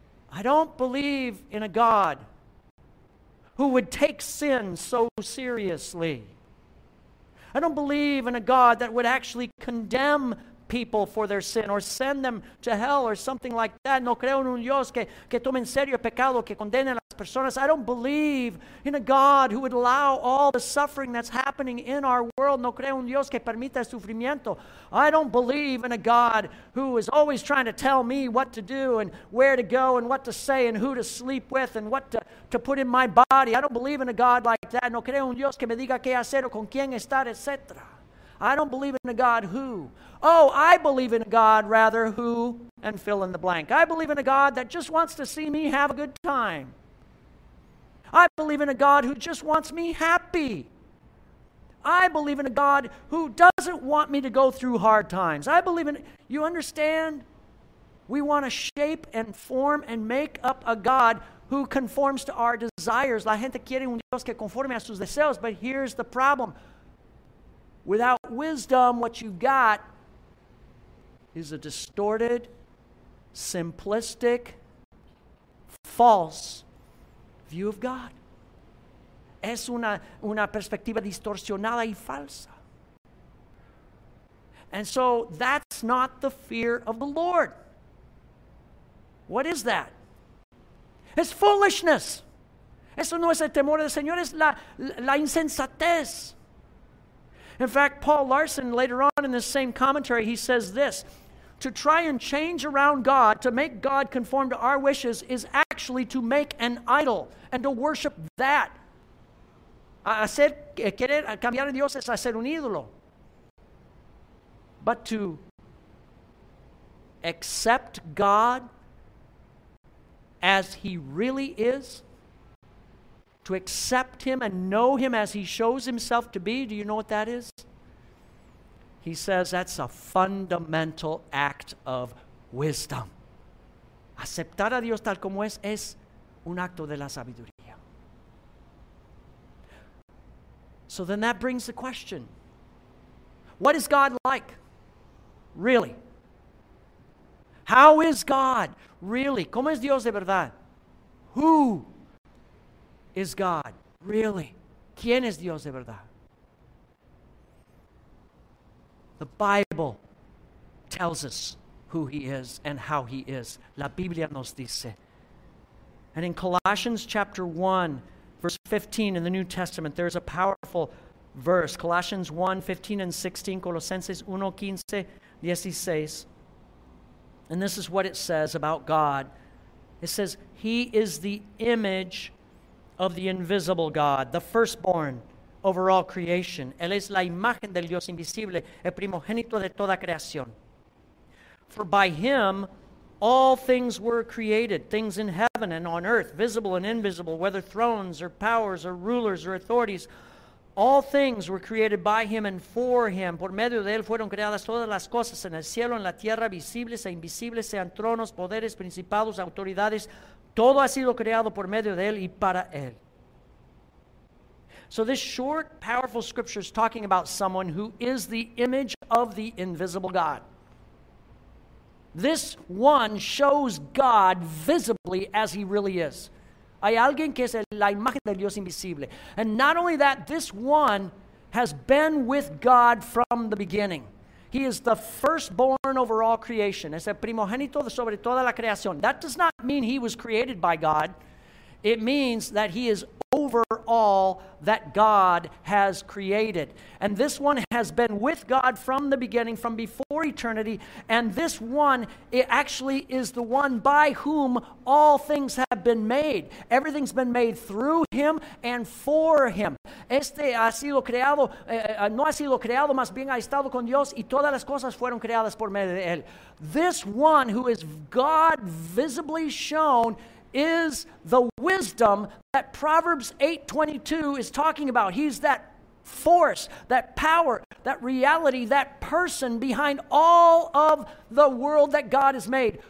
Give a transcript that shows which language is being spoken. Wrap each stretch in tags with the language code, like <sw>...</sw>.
<en>I don't believe in a God who would take sin so seriously. I don't believe in a God that would actually condemn people for their sin or send them to hell or something like that.</en> <es>No creo en un Dios que tome en serio el pecado, que condene las personas.</es> <en>I don't believe in a God who would allow all the suffering that's happening in our world.</en> <es>No creo en Dios que permita el sufrimiento.</es> <en>I don't believe in a God who is always trying to tell me what to do and where to go and what to say and who to sleep with and what to put in my body. I don't believe in a God like that.</en> <es>No creo en Dios que me diga qué hacer o con quién estar, etc.</es> <en>I don't believe in a God who. Oh, I believe in a God, rather, who, and fill in the blank. I believe in a God that just wants to see me have a good time. I believe in a God who just wants me happy. I believe in a God who doesn't want me to go through hard times. I believe in, you understand? We want to shape and form and make up a God who conforms to our desires.</en> <es>La gente quiere un Dios que conforme a sus deseos,</es> <en>but here's the problem. Without wisdom, what you've got is a distorted, simplistic, false view of God.</en> <es>Es una perspectiva distorsionada y falsa.</es> <en>And so that's not the fear of the Lord. What is that? It's foolishness.</en> <es>Eso no es el temor del Señor, es la insensatez.</es> <en>In fact, Paul Larson, later on in this same commentary, he says this, to try and change around God, to make God conform to our wishes, is actually to make an idol and to worship that.</en> <es>Hacer, querer cambiar a Dios es hacer un ídolo.</es> <en>But to accept God as he really is, to accept him and know him as he shows himself to be, do you know what that is? He says that's a fundamental act of wisdom.</en> <es>Aceptar a Dios tal como es un acto de la sabiduría.</es> <en>So then that brings the question. What is God like? Really? How is God? Really?</en> <es>¿Cómo es Dios de verdad?</es> <en>Who is God? Really?</en> <es>¿Quién es Dios de verdad?</es> <en>The Bible tells us who he is and how he is.</en> <es>La Biblia nos dice.</es> <en>And in Colossians chapter 1, verse 15 in the New Testament, there's a powerful verse. Colossians 1, 15 and 16. Colosenses 1, 15, 16. And this is what it says about God. It says, he is the image of the invisible God, the firstborn over all creation.</en> <es>Él es la imagen del Dios invisible, el primogénito de toda creación.</es> <en>For by him all things were created, things in heaven and on earth, visible and invisible, whether thrones or powers or rulers or authorities. All things were created by him and for him.</en> <es>Por medio de él fueron creadas todas las cosas en el cielo, en la tierra, visibles e invisibles, sean tronos, poderes, principados, autoridades. Todo ha sido creado por medio de él y para él.</es> <en>So this short, powerful scripture is talking about someone who is the image of the invisible God. This one shows God visibly as he really is.</en> <es>Hay alguien que es la imagen de Dios invisible.</es> <en>And not only that, this one has been with God from the beginning. He is the firstborn over all creation.</en> <es>Es el primogénito sobre toda la creación.</es> <en>That does not mean he was created by God. It means that he is over over all that God has created. And this one has been with God from the beginning, from before eternity, and this one, it actually is the one by whom all things have been made. Everything's been made through him and for him.</en> <es>Este ha sido creado, no ha sido creado, más bien ha estado con Dios, y todas las cosas fueron creadas por medio de él.</es> <en>This one who is God visibly shown is the wisdom that Proverbs 8:22 is talking about. He's that force, that power, that reality, that person behind all of the world that God has made.</en>